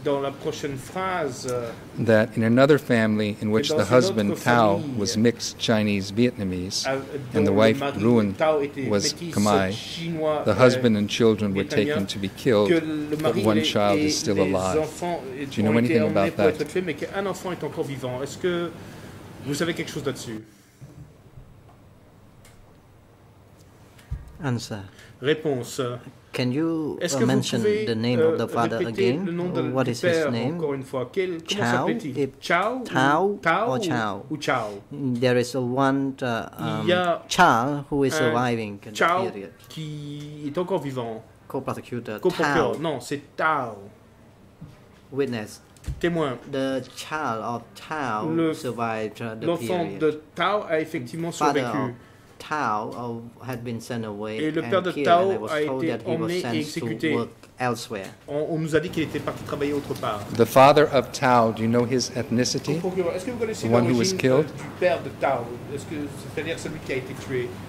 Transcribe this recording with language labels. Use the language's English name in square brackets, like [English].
[French] dans la prochaine phrase, [English] that in another family in which the husband Tao was mixed Chinese-Vietnamese and the wife Ruin was Khmer, the husband and children were taken to be killed, but one child is still alive. Do you know anything about that? [French] Un enfant est encore vivant. Est-ce que vous savez quelque chose là-dessus? [English] Answer. [French] Réponse. [English] Can you mention the name of the father again? What is his name? Chao? Chao? Tao? Tao? Or Chao? [French] Ou Chao? [English] There is a one, Cha, who is surviving. [French] Chao, qui est encore vivant. [English] Co-prosecutor. Tao. [French] Non, c'est Tao. [English] Witness. [French] Témoin. [English] The child of Tao survived the period. [French] L'enfant de Tao a effectivement survécu. [English] Tao had been sent away [French] et le père de Tao a été emmené et exécuté. On nous a dit qu'il était parti travailler autre part. [English] The father of Tao, do you know his ethnicity? [French] Est-ce que vous connaissez l'origine du père de Tao? C'est-à-dire celui qui a été tué?